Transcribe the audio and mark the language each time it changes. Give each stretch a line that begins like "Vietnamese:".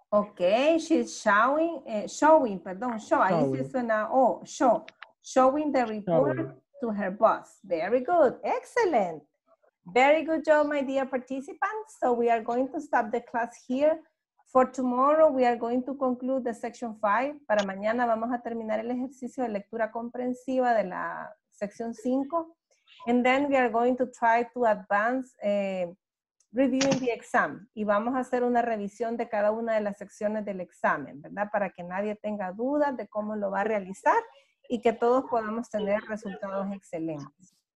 English: Okay, she's showing, showing.
Spanish: Ahí sí suena,
English: showing the report to her boss. Very good, excellent. Very good job, my dear participants. So we are going to stop the class here. For tomorrow, we are going to conclude the section 5.
Spanish: Para mañana vamos a terminar el ejercicio de lectura comprensiva de la sección 5.
English: And then we are going to try to advance reviewing the exam.
Spanish: Y vamos a hacer una revisión de cada una de las secciones del examen, ¿verdad? Para que nadie tenga dudas de cómo lo va a realizar y que todos podamos tener resultados excelentes.